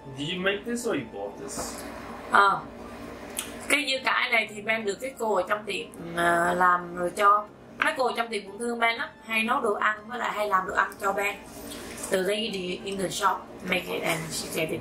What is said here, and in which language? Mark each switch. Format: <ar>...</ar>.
<en>Did you make this or you bought this?</en> <vi>Cái dưa cải này thì Ben được cái cô ở trong tiệm làm rồi cho. Mấy cô trong tiệm cũng thương Ben lắm, hay nấu đồ ăn với lại hay làm đồ ăn cho Ben.</vi> <en>The lady in the shop make it and she get it.</en>